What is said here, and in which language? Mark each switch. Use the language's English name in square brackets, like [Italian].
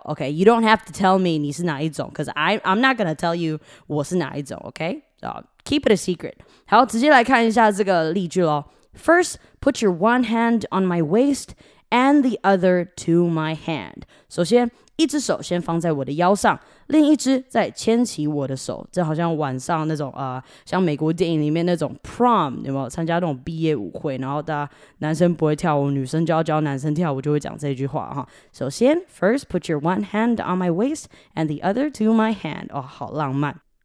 [English] Okay, you don't have to tell me [Chinese] 你是哪一种 [English] because I'm not going to tell you [Chinese] 我是哪一种 [English] okay? Keep it a secret. [Chinese] 好，直接来看一下这个例句咯。 [English] First, put your one hand on my waist and the other to my hand. [Chinese] 首先，一只手先放在我的腰上，另一只再牵起我的手，这好像晚上那种像美国电影里面那种 prom， 有没有参加那种毕业舞会？然后大家男生不会跳舞，女生就要教男生跳舞，就会讲这句话哈。首先 [English] ，first put your one hand on my waist and the other to my hand， [Chinese] 哦，好浪漫。